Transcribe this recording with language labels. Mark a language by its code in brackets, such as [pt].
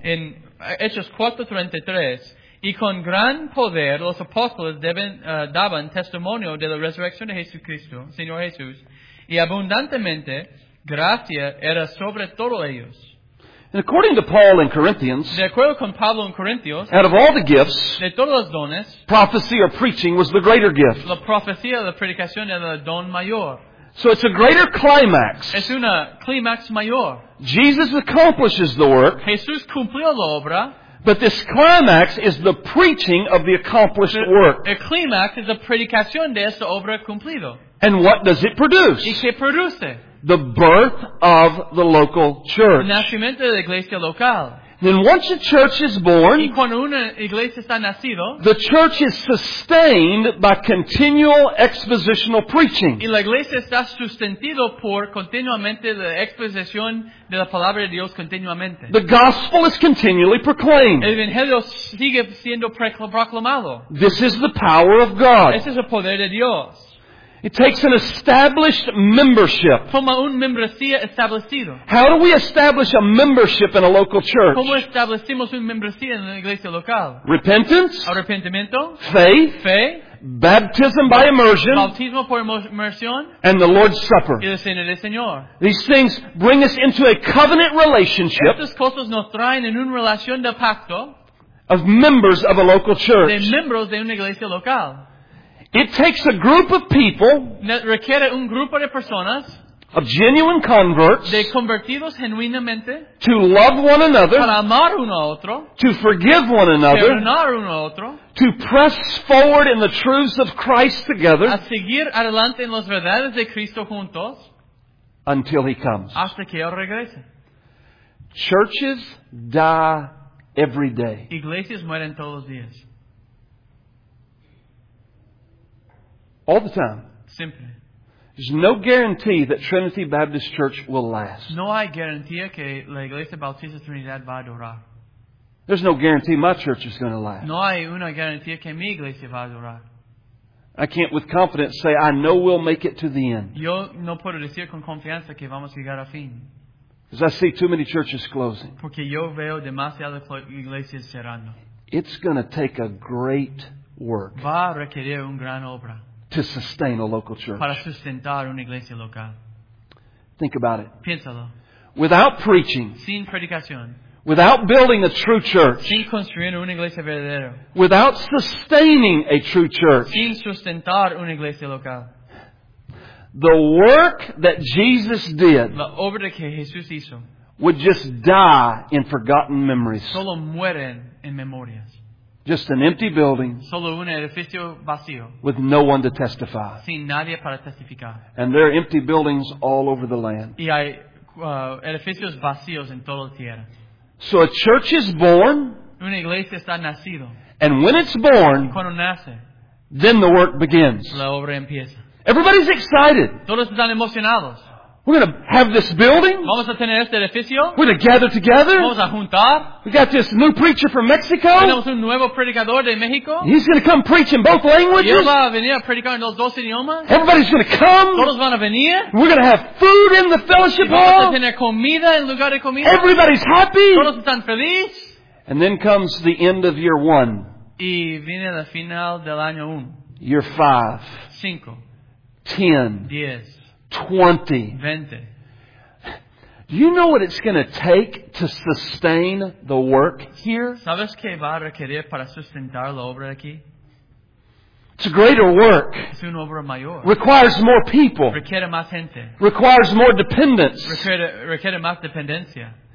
[es] En Hechos 4:33, y con gran poder los apóstoles daban testimonio de la resurrección de Jesucristo, Señor Jesús, y abundantemente gracia era sobre todos ellos. [en] And according to Paul in Corinthians, [es] de acuerdo con Pablo en Corintios, [en] out of all the gifts, [es] de todos los dones, [en] prophecy or preaching was the greater gift. [es] La profecía, la predicación era el don mayor. [en] So it's a greater climax. [es] Es una climax mayor. [en] Jesus accomplishes the work. [es] Jesús cumplió la obra. [en] But this climax is the preaching of the accomplished work. [es] El climax es la predicación de esta obra cumplido. [en] And what does it produce? [es] ¿Y qué produce? [en] The birth of the local church. [es] El nacimiento de la iglesia local. [en] Then once a church is born, [es] y cuando una iglesia está nacido, [en] the church is sustained by continual expositional preaching. [es] Y la iglesia está sustentado por continuamente la exposición de la palabra de Dios continuamente. [en] The gospel is continually proclaimed. [es] El evangelio sigue siendo proclamado. [en] This is the power of God. [es] Este es el poder de Dios. [en] It takes an established membership. [es] Toma un membresía establecido. [en] How do we establish a membership in a local church? [es] ¿Cómo establecemos un membresía en la iglesia local? [en] Repentance. [es] Arrepentimiento. [en] Faith. [es] Fe. [en] Baptism by immersion. [es] Bautismo por inmersión. [en] And the Lord's Supper. [es] Y la cena del Señor. [en] These things bring us into a covenant relationship. [es] Estas cosas nos traen en una relación de pacto. [en] Of members of a local church. [es] De miembros de una iglesia local. [en] It takes a group of people, [es] requiere un grupo de personas, [en] of genuine converts, [es] de convertidos genuinamente, [en] to love one another, [es] para amar uno a otro, [en] to forgive one another, [es] perdonar uno a otro, [en] to press forward in the truths of Christ together, [es] a seguir adelante en las verdades de Cristo juntos, [en] until he comes. [es] Hasta que él regrese. [en] Churches die every day. [es] Iglesias mueren todos los días. [en] All the time. Simply. There's no guarantee that Trinity Baptist Church will last. [es] No hay garantía que la Iglesia Bautista Trinidad va a durar. [en] There's no guarantee my church is going to last. [es] No hay una garantía que mi iglesia va a durar. [en] I can't with confidence say I know we'll make it to the end. [es] Yo no puedo decir con confianza que vamos a llegar a fin. [en] Because I see too many churches closing. [es] Porque yo veo demasiadas iglesias cerrando. [en] It's going to take a great work. [es] Va a requerir un gran obra. [en] To sustain a local church. [es] Para sustentar una iglesia local. [en] Think about it. [es] Piénsalo. [en] Without preaching. [es] Sin predicación. [en] Without building a true church. [es] Sin construir una iglesia verdadera. [en] Without sustaining a true church. [es] Sin sustentar una iglesia local. [en] The work that Jesus did. [es] La obra que Jesús hizo. [en] Would just die in forgotten memories. [es] Solo mueren en memorias. [en] Just an empty building. [es] Solo un edificio vacío. [en] With no one to testify. [es] Sin nadie para testificar. [en] And there are empty buildings all over the land. [es] Y hay edificios vacíos en toda la tierra. [en] So a church is born. [es] Una iglesia está nacido. [en] And when it's born, [es] cuando nace, [en] then the work begins. [es] La obra empieza. [en] Everybody's excited. [es] Todos están emocionados. [en] We're going to have this building. [es] Vamos a tener este edificio. [en] We're going to gather together. [es] Vamos a juntar. [en] We got this new preacher from Mexico. [es] Tenemos un nuevo predicador de México. [en] He's going to come preach in both languages. [es] Y él va a venir a predicar en los dos idiomas. [en] Everybody's going to come. [es] Todos van a venir. [en] We're going to have food in the fellowship [es] vamos [en] hall. [es] Vamos a tener comida en lugar de comida. [en] Everybody's happy. [es] Todos están felices. [en] And then comes the end of year one. [es] Y viene la final del año uno. [en] Year five. [es] Cinco. [en] Ten. [es] Diez. 20. 20. [en] Do you know what it's going to take to sustain the work here? [es] ¿Sabes qué va a requerir para sustentar la obra aquí? [en] It's a greater work. [es] Es una obra mayor. [en] Requires more people. [es] Requiere más gente. [en] Requires more dependence. [es] Requiere más dependencia.